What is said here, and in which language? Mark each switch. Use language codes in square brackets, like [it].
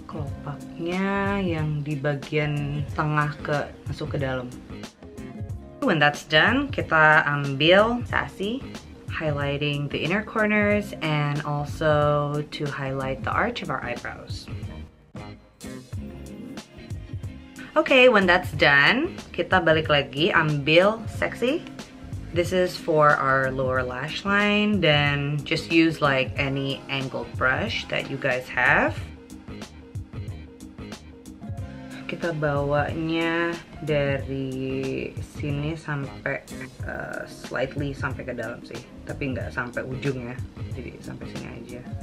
[id] Kelopaknya yang di bagian tengah ke masuk ke dalam. [en] When that's done, kita ambil Sassy, highlighting the inner corners and also to highlight the arch of our eyebrows. [id] Okay, when that's done, kita balik lagi ambil Sexy. [en] This is for our lower lash line, then just use like any angled brush that you guys have. [id] Kita bawanya dari sini sampai slightly sampai ke dalam sih, tapi nggak sampai ujung ya, jadi sampai sini aja.